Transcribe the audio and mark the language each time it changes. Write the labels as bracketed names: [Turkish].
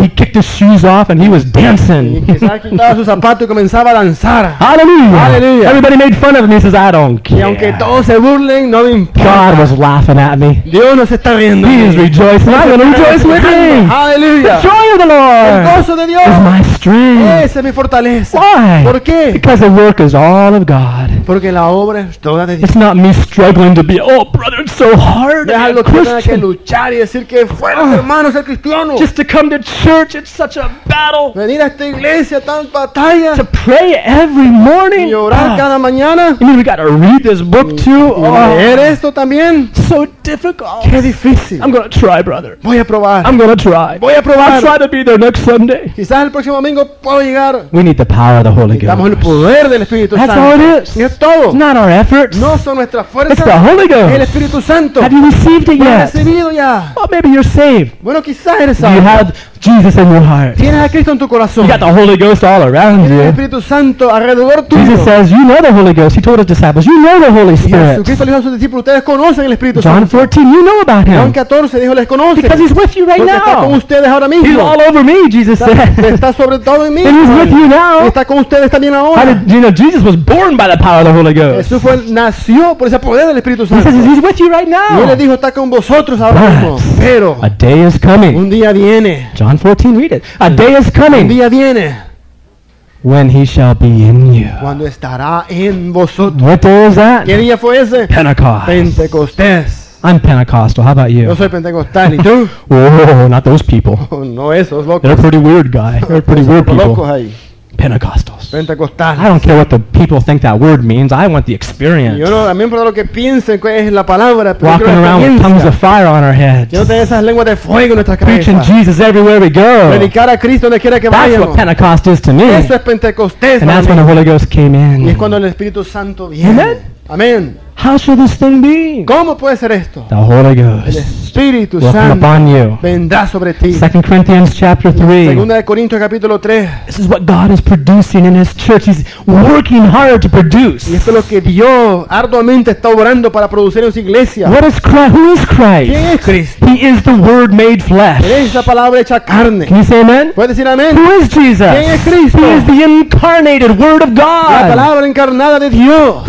[English] He kicked his shoes off and he was dancing. [Spanish] Y quizás quitaba su zapato y comenzaba a danzar. Hallelujah. Hallelujah. [English] Everybody made fun of me. He says, I don't care. [Spanish] Y aunque todos se burlen, no me importa. [English] God was laughing at me. [Spanish] Dios nos está riendo. [English] He is rejoicing. I'm going to rejoice with him. Hallelujah. The joy of the Lord. [Spanish] El gozo de Dios. [English] Is my strength. [Spanish] Mi fortaleza. [English] Why? [Spanish] ¿Por qué? [English] Because the work is all of God. [Spanish] Porque la obra es toda de Dios. [English] It's not me struggling to be, oh brother, it's so hard. [Spanish] Deja lo que tenga que luchar y decir que fuerte, hermano, ser cristiano. [English] Just to come to church, it's such a battle. [Spanish] Venir a esta iglesia tan batalla. [English] To pray every morning. [Spanish] Y orar cada mañana. [English] You mean we got to read this book too? [Spanish] Leer esto también. [English] So difficult. [Spanish] Qué difícil. [English] I'm gonna try, brother. [Spanish] Voy a probar. [English] I'm gonna try. [Spanish] Voy a probar. [English] I'll try to be there next Sunday. [Spanish] Quizás el próximo domingo puedo llegar. [English] We need the power of the Holy Ghost. [Spanish] Necesitamos el poder del Espíritu Santo. [English] That's all it is. [Spanish] Es todo. [English] It's not our efforts. [Spanish] No son nuestras fuerzas. [English] It's the Holy Ghost. [Spanish] El Espíritu Santo. [English] Have you received it yet? [Spanish] ¿Lo has recibido ya? [English] Well, maybe you're saved. [Spanish] Bueno, quizás eres salvo. [English] You have Jesus in your heart. [Spanish] Tienes a Cristo en tu corazón. [English] You got the Holy Ghost all around you. [Spanish] El Espíritu Santo alrededor tuyo. [English] Jesus says, you know the Holy Ghost. He told his disciples, you know the Holy Spirit. [Spanish] Jesucristo le dijo a sus discípulos, ustedes conocen el Espíritu [English] Santo. John 14, you know about him. [Spanish] Juan 14 dijo, les conocen. [English] Because he's with you right now. [Spanish] Está con ustedes ahora mismo. [English] He's all over me, Jesus [Spanish] está, [English] said. [Spanish] Está sobre todo en mí. [English] And he's with you now. [Spanish] Está con ustedes también ahora. [English] You know, Jesus was born by the power of the Holy Ghost. [Spanish] Jesús fue, nació por ese poder del Espíritu Santo. [English] He says, he's with you right now. [Spanish] Y él le dijo, está con vosotros ahora mismo. Pero, [English] a day is coming. [Spanish] Un día viene. [English] John 14, read it. A day is coming. [Spanish] Un día viene. [English] When he shall be in you. [Spanish] Cuando estará en vosotros. [English] What day is that? [Spanish] ¿Qué día fue ese? [English] Pentecost. [Spanish] Pentecostés. [English] I'm Pentecostal. How about you? [Spanish] Yo soy pentecostal. ¿Y tú? [English] Oh, not those people. [Spanish] No esos locos. [English] They're a pretty weird guy. They're pretty weird people. [Spanish] Locos ahí. [English] Pentecostals. [Spanish] Pentecostales. [English] I don't care what the people think that word means. I want the experience. [Spanish] Yo no, a mí me importa lo que piensen que es la palabra. Pero [English] walking around with tongues of fire on our heads. [Spanish] Yo no tengo esas lenguas de fuego en nuestras cabezas. [English] Preaching Jesus everywhere we go. [Spanish] Predicar a Cristo donde quiera que vayamos. [English] That's what Pentecost is to me. [Spanish] Eso es Pentecostés. [English] And that's when the Holy Ghost came in. [Spanish] Y es cuando el Espíritu Santo viene. Amen. [English] How should this thing be? [Spanish] ¿Cómo puede ser esto? [English] The Holy Ghost. [Spanish] El Espíritu Santo [English] upon you. [Spanish] Vendrá sobre ti. [English] 2 Corinthians chapter 3. [Spanish] Segunda de Corintios capítulo 3. [English] This is what God is producing in his church. He's working hard to produce. [Spanish] Y esto es lo que Dios arduamente está obrando para producir en su iglesia. [English] What is Christ? Who is Christ? [Spanish] ¿Quién es Cristo? [English] He is the Word made flesh. [Spanish] Él es la palabra hecha carne. [English] Can you say amen? [Spanish] ¿Puedes decir amén? [English] Who is Jesus? [Spanish] ¿Quién es Cristo? [English] He is the incarnated Word of God. [Spanish] La palabra encarnada de Dios.